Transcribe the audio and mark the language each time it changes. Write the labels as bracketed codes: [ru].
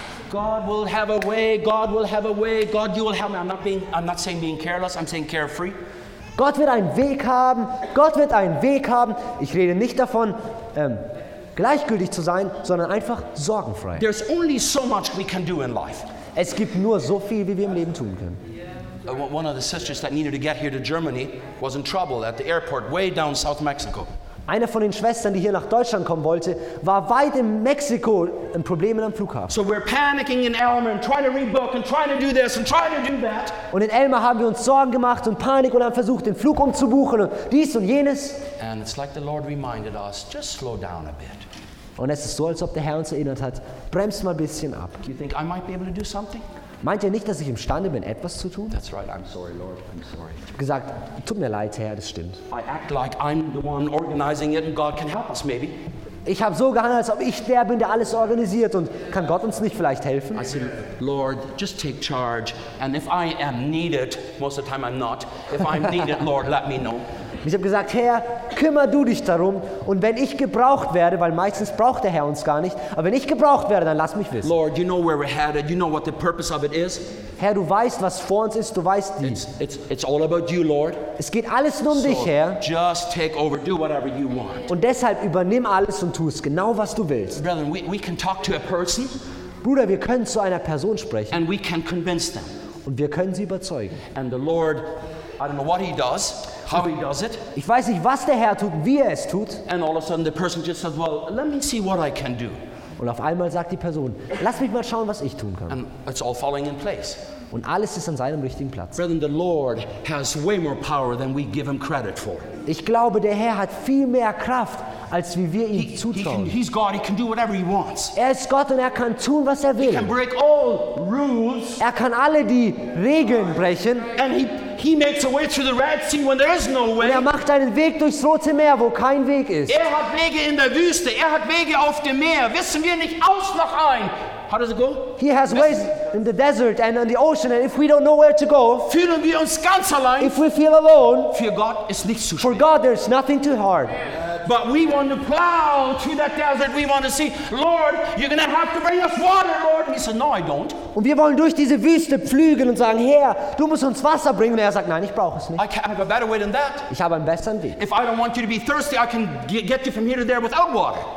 [en] God will have a way. God will have a way. God, you will help me. I'm not saying being careless. I'm saying carefree. [de] Gott wird einen Weg haben. Gott wird einen Weg haben. Ich rede nicht davon, gleichgültig zu sein, sondern einfach sorgenfrei. [en] There's only so much we can do in life. [de] Es gibt nur so viel, wie wir im Leben tun können. [en] One of the sisters that needed to get here to Germany was in trouble at the airport, way down south Mexico. [de] Eine von den Schwestern, die hier nach Deutschland kommen wollte, war weit in Mexiko in Problemen am Flughafen. [en] So we're panicking in Elmer and trying to rebook and trying to do this and trying to do that. [de] Und in Elmer haben wir uns Sorgen gemacht und Panik und haben versucht, den Flug umzubuchen und dies und jenes. [en] And it's like the Lord reminded us, just slow down a bit. [de] Und es ist so, als ob der Herr uns erinnert hat, bremst mal ein bisschen ab. [en] Do you think I might be able to do something? [de] Meint ihr nicht, dass ich imstande bin, etwas zu tun? [en] That's right. I'm sorry, Lord. I'm sorry. [de] Gesagt, tut mir leid, Herr, das stimmt. [en] I act like I'm the one organizing it and God can help us maybe. [de] Ich habe so gehandelt, als ob ich der bin, der alles organisiert und kann Gott uns nicht vielleicht helfen? [en] I said, Lord, just take charge and if I am needed, most of the time I'm not, if I'm needed, Lord, let me know. [de] Ich habe gesagt, Herr, kümmer du dich darum und wenn ich gebraucht werde, weil meistens braucht der Herr uns gar nicht, aber wenn ich gebraucht werde, dann lass mich wissen. [en] Lord, you know where we're headed, you know what the purpose of it is. [de] Herr, du weißt, was vor uns ist, du weißt dies. [en] It's all about you, Lord. [de] Es geht alles nur um so dich, Herr. [en] Just take over, do whatever you want. [de] Und deshalb übernimm alles und tu es genau, was du willst. [en] Brethren, we can talk to a person. [de] Bruder, wir können zu einer Person sprechen. [en] And we can convince them. [de] Und wir können sie überzeugen. [en] And the Lord, I don't know what he does. How he does it? [de] Ich weiß nicht, was der Herr tut, wie es tut. [en] And all of a sudden, the person just says, "Well, let me see what I can do." [de] Und auf einmal sagt die Person, lass mich mal schauen, was ich tun kann. [en] And it's all falling in place. [de] Und alles ist an seinem richtigen Platz. [en] Brethren, the Lord has way more power than we give him credit for. [de] Ich glaube, der Herr hat viel mehr Kraft, als wie wir ihm zutrauen. [en] He's God. He can do whatever he wants. [de] Er ist Gott und er kann tun, was er will. [en] He can break all rules. [de] Er kann alle die Regeln brechen. [en] And He makes a way through the Red Sea when there is no way. [de] Und er macht einen Weg durchs Rote Meer, wo kein Weg ist. Er hat Wege in der Wüste. Er hat Wege auf dem Meer. Wissen wir nicht aus noch ein? [en] How does it go? He has ways in the desert and on the ocean. And if we don't know where to go, [de] fühlen wir uns ganz allein. [en] If we feel alone, [de] für Gott ist nichts zu schwer. [en] For God, there's nothing too hard. But we want to plow through that desert. We want to see, Lord, you're going to have to bring us water, Lord. And he said, no, I don't. [de] Und wir wollen durch diese Wüste pflügen und sagen, Herr, du musst uns Wasser bringen. Und er sagt, nein, ich brauche es nicht. [en] I have a better way than that. [de] Ich habe einen besseren Weg. [en] If I don't want you to be thirsty, I can get you from here to there without water.